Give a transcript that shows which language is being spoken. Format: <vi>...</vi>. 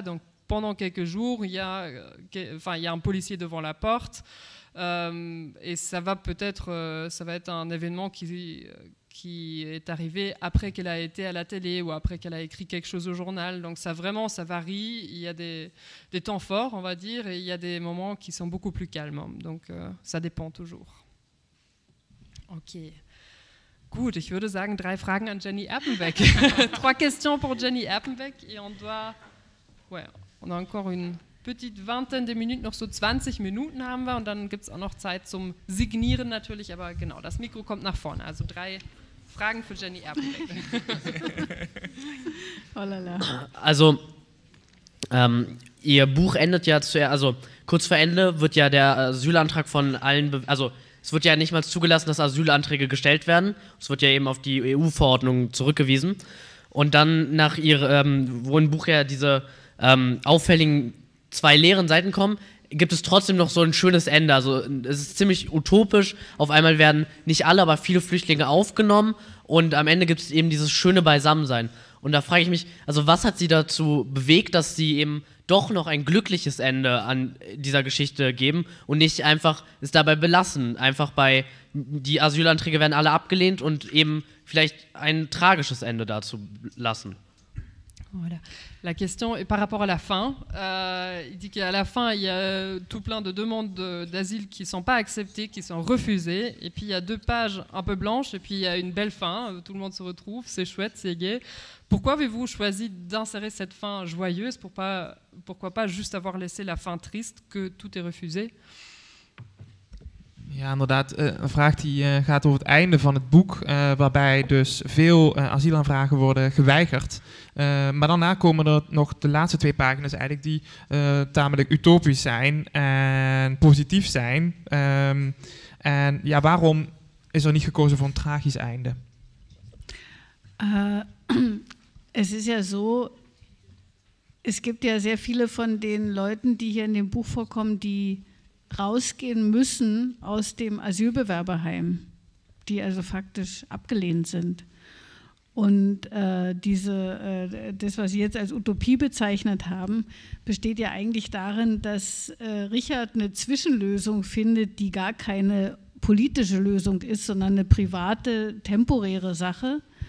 <fr>Donc, pendant quelques jours, il y a un policier devant la porte et ça va peut-être être un événement qui est arrivé après qu'elle a été à la télé ou après qu'elle a écrit quelque chose au journal. Donc ça varie, il y a des temps forts, on va dire, et il y a des moments qui sont beaucoup plus calmes. Donc ça dépend toujours. Ok.</fr> <de>Gut, ich würde sagen, 3 Fragen an Jenny Erpenbeck.</de> <fr>3 questions pour Jenny Erpenbeck. Et on doit... Ouais, on a encore une petite vingtaine de minutes,</fr> <de>noch so 20 Minuten haben wir, und dann gibt es auch noch Zeit zum Signieren natürlich, aber genau, das Mikro kommt nach vorne. Also 3 Fragen für Jenny Erpenbeck. Also, ihr Buch endet ja zuerst, also kurz vor Ende wird ja der Asylantrag von allen, also es wird ja nicht mal zugelassen, dass Asylanträge gestellt werden, es wird ja eben auf die EU-Verordnung zurückgewiesen, und dann nach ihr, wo im Buch ja diese auffälligen 2 leeren Seiten kommen, gibt es trotzdem noch so ein schönes Ende. Also es ist ziemlich utopisch. Auf einmal werden nicht alle, aber viele Flüchtlinge aufgenommen und am Ende gibt es eben dieses schöne Beisammensein. Und da frage ich mich, also was hat sie dazu bewegt, dass sie eben doch noch ein glückliches Ende an dieser Geschichte geben und nicht einfach es dabei belassen, einfach bei die Asylanträge werden alle abgelehnt und eben vielleicht ein tragisches Ende dazu lassen.</de> <fr>Voilà. La question est par rapport à la fin. Il dit qu'à la fin, il y a tout plein de demandes d'asile qui ne sont pas acceptées, qui sont refusées. Et puis, il y a deux pages un peu blanches et puis il y a une belle fin. Tout le monde se retrouve, c'est chouette, c'est gai. Pourquoi avez-vous choisi d'insérer cette fin joyeuse pour pas, pourquoi pas juste avoir laissé la fin triste que tout est refusé?</fr> <nl>Ja, inderdaad. Een vraag die gaat over het einde van het boek, waarbij dus veel asielaanvragen worden geweigerd. Maar daarna komen er nog de laatste twee pagina's eigenlijk die tamelijk utopisch zijn en positief zijn. En ja, waarom is er niet gekozen voor een tragisch einde? Het is ja zo,</nl> <de>es gibt ja sehr viele von den Leuten, die hier in dem Buch vorkommen, die rausgehen müssen aus dem Asylbewerberheim, die also faktisch abgelehnt sind. Und das, was Sie jetzt als Utopie bezeichnet haben, besteht ja eigentlich darin, dass Richard eine Zwischenlösung findet, die gar keine politische Lösung ist, sondern eine private, temporäre Sache.</de>